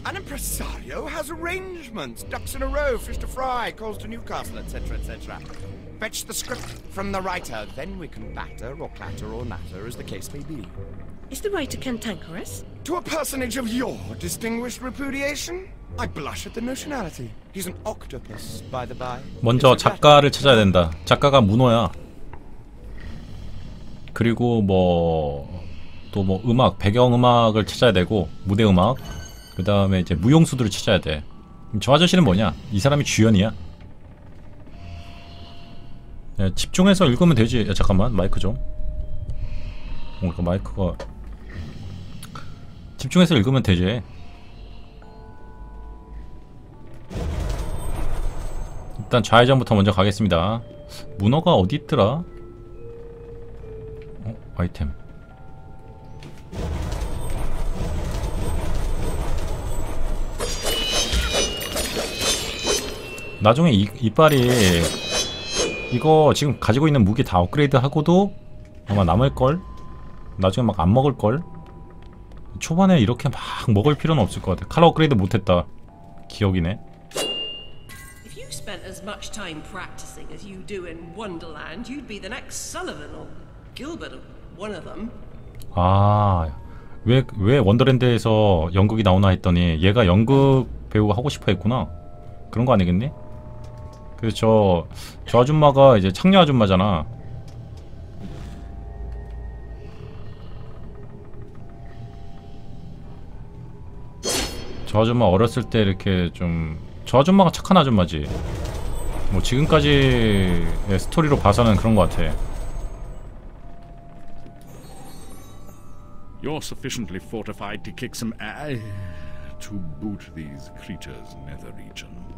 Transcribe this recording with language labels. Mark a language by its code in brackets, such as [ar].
[en] An impresario has arrangements. Ducks in a row, fish to fry, calls to Newcastle, etc., etc. Fetch the script from the writer, then we can batter or clatter or natter as the case may be. Is the writer cantankerous? To a personage of your distinguished repudiation? I blush at the notionality. He's an octopus, by the by. [ko] 먼저 작가를 찾아야 된다. 작가가 문어야. 그리고 또 음악, 배경음악을 찾아야 되고 무대음악, 그 다음에 이제 무용수들을 찾아야 돼. 저 아저씨는 뭐냐? 이 사람이 주연이야. 야, 집중해서 읽으면 되지. 야, 잠깐만 마이크 좀. 그 마이크가 집중해서 읽으면 되지. 일단 좌회전부터 먼저 가겠습니다. 문어가 어디 있더라? 아이템. 나중에 이빨이 이거 지금 가지고 있는 무기 다 업그레이드 하고도 아마 남을걸? 나중에 막 안 먹을걸? 초반에 이렇게 막 먹을 필요는 없을 것 같아. 칼로 업그레이드 못했다. 기억이네. [en] If you spent as much time practicing as you do in Wonderland, you'd be the next Sullivan or Gilbert, one of them. [ko] 아, 왜 원더랜드에서 연극이 나오나 했더니 얘가 연극 배우 하고 싶어 했구나. 그런 거 아니겠니? 그래서 저 아줌마가 이제 창녀 아줌마잖아. 저 아줌마 어렸을 때 이렇게 좀 저 아줌마가 착한 아줌마지. 뭐 지금까지의 스토리로 봐서는 그런 거 같아. [en] You're sufficiently fortified to kick some ass to boot these creatures nether regions.